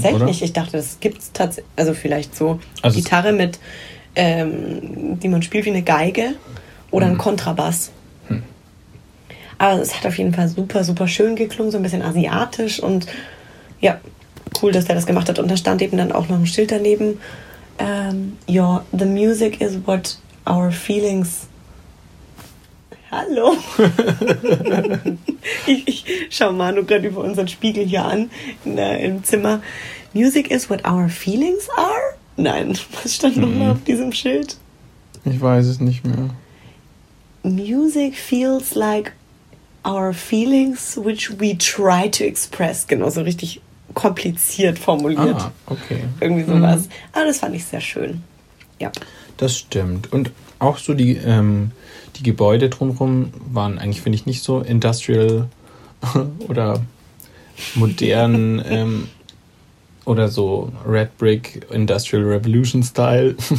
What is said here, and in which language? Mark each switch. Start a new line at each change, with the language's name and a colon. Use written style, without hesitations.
German: Tatsächlich, ich dachte, das gibt's tatsächlich, also vielleicht so also Gitarre mit, die man spielt wie eine Geige oder ein Kontrabass. Aber es hat auf jeden Fall super, super schön geklungen, so ein bisschen asiatisch und ja, cool, dass er das gemacht hat. Und da stand eben dann auch noch ein Schild daneben.
English: The music is what our feelings...
German: Hallo! ich schaue Manu gerade über unseren Spiegel hier an, im Zimmer.
English: Music is what our feelings are?
German: Nein, was stand nochmal auf diesem Schild? Ich weiß es nicht mehr.
English: Music feels like our feelings, which we try to express.
German: Genau, so richtig kompliziert formuliert. Ah, okay. Irgendwie sowas. Aber das fand ich sehr schön. Ja. Das stimmt. Und auch so die Gebäude drumherum waren eigentlich, finde ich, nicht so industrial oder modern oder so
English: Red Brick Industrial Revolution Style.